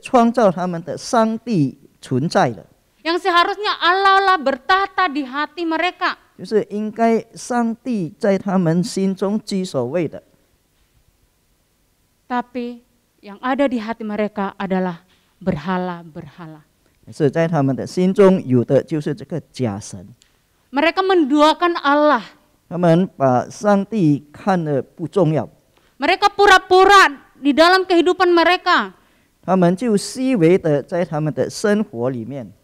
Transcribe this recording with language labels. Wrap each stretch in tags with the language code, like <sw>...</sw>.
<zh>因为在他们的心里面，不是创造他们的上帝存在了。</zh> <id>Yang seharusnya Allah lah bertata di hati mereka.</id> <zh>就是应该上帝在他们心中居首位的。</zh> <id>Tapi yang ada di hati mereka adalah berhala-berhala.</id> <zh>是在他们的心中有的就是这个假神。</zh> <id>Mereka menduakan Allah.</id> <zh>他们把上帝看得不重要。</zh> <id>Mereka pura-pura di dalam kehidupan mereka.</id> <zh>他们就虚伪的在他们的生活里面。</zh>